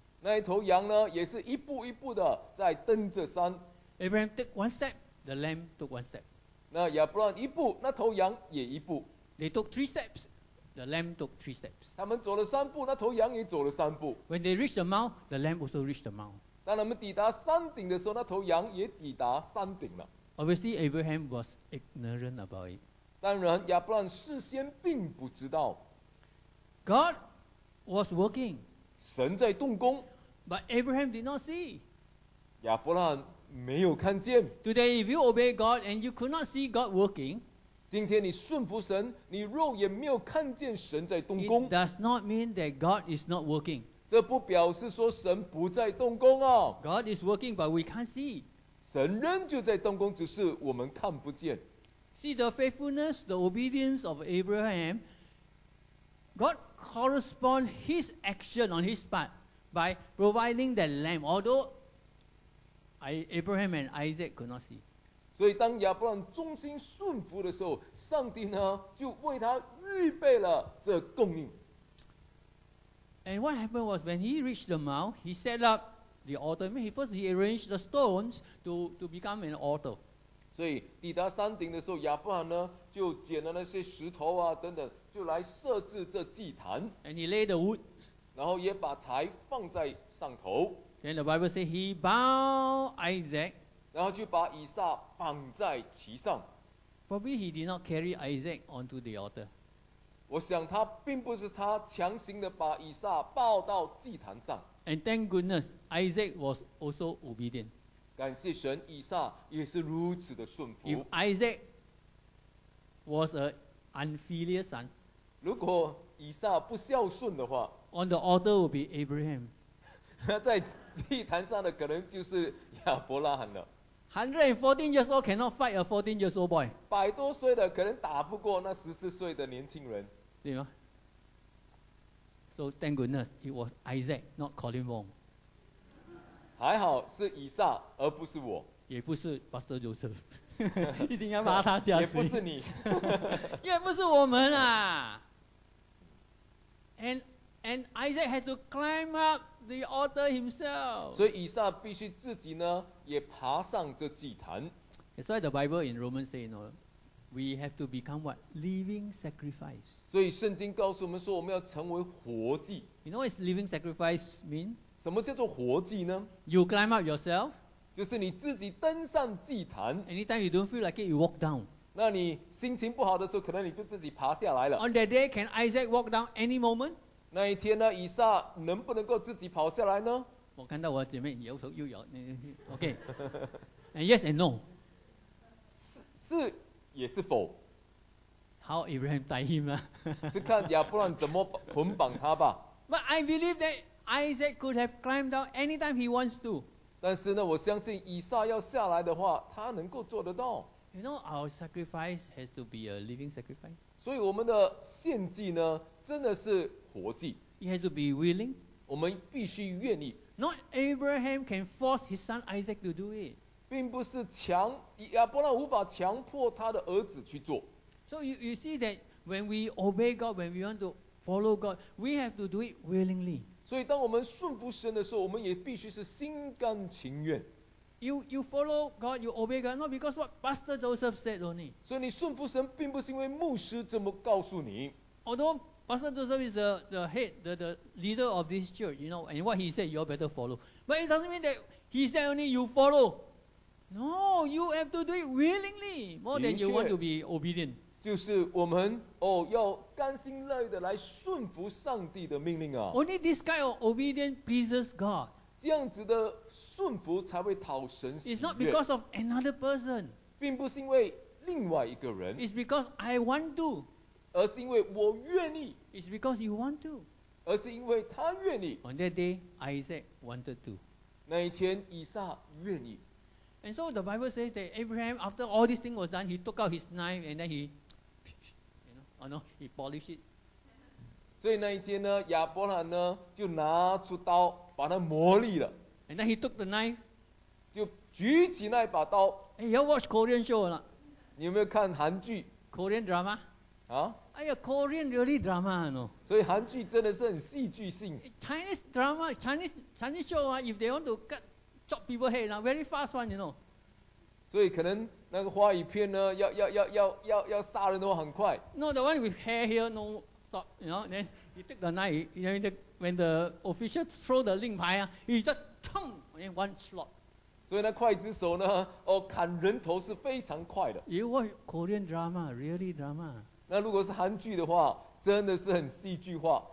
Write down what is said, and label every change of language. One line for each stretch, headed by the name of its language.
Chinese: 那一头羊呢，也是一步一步的在登着山。
English: Abraham took one step, the lamb took one step.
Chinese: 那亚伯兰一步，那头羊也一步。
English: They took three steps, the lamb took three steps.
Chinese: 他们走了三步，那头羊也走了三步。
English: When they reached the mount, the lamb also reached the mount.
Chinese: 当他们抵达山顶的时候，那头羊也抵达山顶了。
English: Obviously, Abraham was ignorant about it.
Chinese: 当然，亚伯兰事先并不知道。
English: God was working，
Chinese: 神在动工
English: ，but Abraham did not see。
Chinese: 亚伯兰没有看见。
English: Today, if you obey God and you could not see God working，
Chinese: 今天你顺服神，你肉眼没有看见神在动工。
English: It does not mean that God is not working。
Chinese: 这不表示说神不在动工啊。
English: God is working, but we can't see。
Chinese: 神仍旧在动工，只是我们看不见。
English: See the faithfulness, the obedience of Abraham. God corresponds his action on his part by providing the lamb, although Abraham and Isaac could not see.
Chinese: 所以当亚伯兰忠心顺服的时候，上帝呢就为他预备了这供应。
English: And what happened was when he reached the mount, he set up the altar. I mean, he arranged the stones to become an altar.
Chinese: 所以抵达山顶的时候，亚伯兰呢就捡了那些石头啊等等，就来设置这祭坛。
English: And he laid the wood，
Chinese: 然后也把柴放在上头。
English: Then the Bible says he bound Isaac，
Chinese: 然后就把以撒绑在其上。
English: Probably he did not carry Isaac onto the altar。
Chinese: 我想他并不是他强行的把以撒抱到祭坛上。
English: And thank goodness Isaac was also obedient。
Chinese: 感谢神，以撒也是如此的顺服。
English: If Isaac was an unfilial son,
Chinese: 如果以撒不孝顺的话
English: ，on the altar will be Abraham.
Chinese: 在祭坛上的可能就是亚伯拉罕了。
English: 114 years old cannot fight a 14 years old boy.
Chinese: 百多岁的可能打不过那14岁的年轻人。对吗?
English: So thank goodness, it was Isaac, not Colin Wong.
Chinese: 还好是以撒, 而不是我。也不是Pastor Joseph. 一定要把他吓死。也不是你。也不是我们啊。
English: And Isaac had to climb up the altar himself.
Chinese: 所以以撒必须自己呢, 也爬上这祭坛。
English: That's why the Bible in Romans say, you know, we have to become what? Living sacrifice.
Chinese: 所以圣经告诉我们说, 我们要成为活祭。
English: You know what living sacrifice mean?
Chinese: 什么叫做活祭呢?
English: You climb up yourself.
Chinese: 就是你自己登上祭坛。
English: Anytime you don't feel like it, you walk down.
Chinese: 那你心情不好的时候, 可能你就自己爬下来了。
English: On that day, can Isaac walk down any moment?
Chinese: 那一天呢, 以撒能不能够自己跑下来呢? 我看到我姐妹摇头又摇,
English: OK. And yes and no.
Chinese: 是也是否?
English: How Abraham tie him?
Chinese: 是看亚伯兰怎么捆绑他吧。
English: But I believe that Isaac could have climbed down anytime he wants to.
Chinese: 但是呢, 我相信以撒要下来的话, 他能够做得到。
English: You know, our sacrifice has to be a living sacrifice.
Chinese: 所以我们的献祭呢, 真的是活祭。
English: He has to be willing.
Chinese: 我们必须愿意。
English: Not Abraham can force his son Isaac to do it.
Chinese: 并不是强, 亚伯拉无法强迫他的儿子去做。
English: So you see that when we obey God, when we want to follow God, we have to do it willingly.
Chinese: 所以当我们顺服神的时候, 我们也必须是心甘情愿。
English: You follow God, you obey God, not because what Pastor Joseph said only.
Chinese: 所以你顺服神并不是因为牧师这么告诉你。
English: Although Pastor Joseph is the head, the leader of this church, you know, and what he said, you all better follow. But it doesn't mean that he said only you follow. No, you have to do it willingly, more than you want to be obedient.
Chinese: 就是我们, 哦, 要甘心乐意地来顺服上帝的命令啊。
English: Only this kind of obedience pleases God.
Chinese: 这样子的顺服才会讨神喜悦。
English: It's not because of another person.
Chinese: 并不是因为另外一个人。
English: It's because I want to.
Chinese: 而是因为我愿意。
English: It's because you want to.
Chinese: 而是因为他愿意。
English: On that day, Isaac wanted to.
Chinese: 那一天以撒愿意。
English: And so the Bible says that Abraham, after all these things was done, he took out his knife and then he, you know, oh no, he polished it.
Chinese: 所以那一天呢, 亚伯兰呢, 就拿出刀, 把它磨砺了。
English: And then he took the knife.
Chinese: 就举起那把刀。
English: Hey, you watch Korean show or not?
Chinese: 你有没有看韩剧?
English: Korean drama? 啊? Aiyah, Korean really drama, no?
Chinese: 所以韩剧真的是很戏剧性。
English: Chinese drama, Chinese show, if they want to cut, chop people head, very fast one, you know.
Chinese: 所以可能那个华语片呢, 要杀人的话很快。
English: No, the one with hair here, no, stop, you know, then he took the knife, you know, when the official throw the 令牌, he just, thong, and one slot.
Chinese: 所以那刽子手呢, 哦, 砍人头是非常快的。
English: You watch Korean drama, really drama.
Chinese: 那如果是韩剧的话, 真的是很戏剧化。